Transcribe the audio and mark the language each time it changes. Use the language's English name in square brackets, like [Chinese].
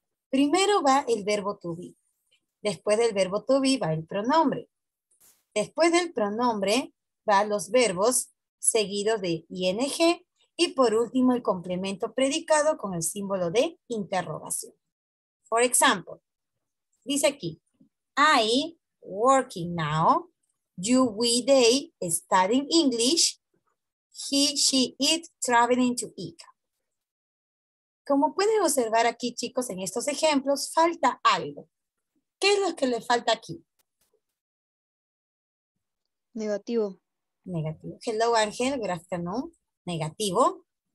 [Spanish] Primero va el verbo to be. Después del verbo to be va el pronombre. Después del pronombre va los verbos seguidos de ing. Y por último el complemento predicado con el símbolo de interrogación. [English] For example, [Spanish] dice aquí, [English] I working now, you we they studying English, he she it traveling to Ica. [Spanish] Como pueden observar aquí, chicos, en estos ejemplos, falta algo. ¿Qué es lo que le falta aquí? Negativo. Negativo. Hello, Ángel. Gracias, ¿no? Negativo.